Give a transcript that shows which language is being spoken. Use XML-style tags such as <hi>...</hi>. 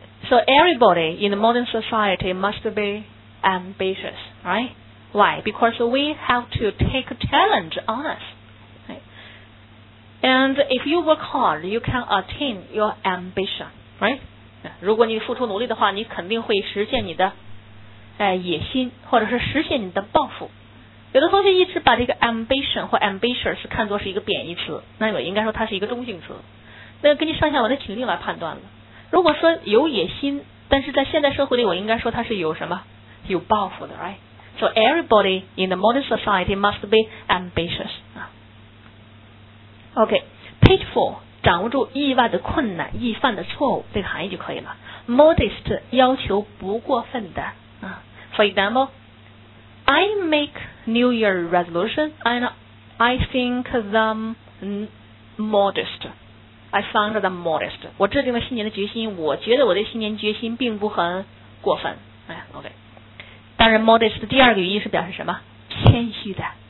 <en>So everybody in the modern society must be ambitious, right? Why? Because we have to take a challenge on us, right? And if you work hard, you can attain your ambition, right?</en> <zh>如果你付出努力的话，你肯定会实现你的野心，或者是实现你的抱负。有的同学一直把这个 ambition 或 ambitious 看作是一个贬义词，那我应该说它是一个中性词，那根据上下文的情境来判断了。如果说有野心，但是在现代社会里我应该说它是有什么，有抱负的， right?</zh> <en>So everybody in the modern society must be ambitious。</en> <zh>OK, pitfall 掌握住意外的困难、易犯的错误这个含义就可以了。 Modest 要求不过分的。</zh> <en>For example, I make New Year resolution and I think them modest. I found them modest.</en> <zh>我制定了新年的决心，我觉得我的新年决心并不很过分。哎，OK。当然 modest 的第二个语义是表示什么？谦虚的。</zh>